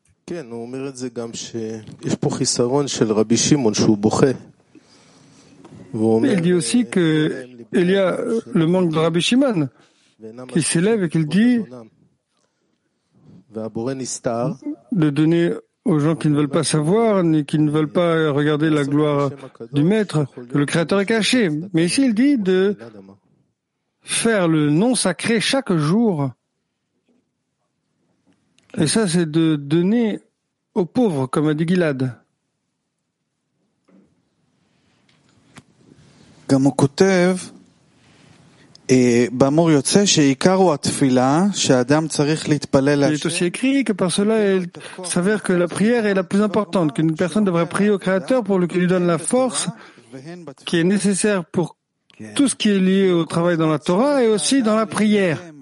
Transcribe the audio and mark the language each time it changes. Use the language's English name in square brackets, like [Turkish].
[French] Il dit aussi qu'il y a le manque de Rabbi Shimon qui s'élève et qu'il dit de donner aux gens qui ne veulent pas savoir ni qui ne veulent pas regarder la gloire du Maître, que le Créateur est caché. Mais ici, il dit de faire le nom sacré chaque jour. Et ça, c'est de donner aux pauvres, comme a dit Gilad. [Hebrew] גם הוא כותב באמור יוצא שעיקר הוא התפילה שאדם צריך להתפלל להשם. [French] Il est aussi écrit que par cela il s'avère que la prière est la plus importante, qu'une personne devrait prier au Créateur pour lui qu'il lui donne la force qui est nécessaire pour tout ce qui est lié au travail dans la Torah et aussi dans la prière.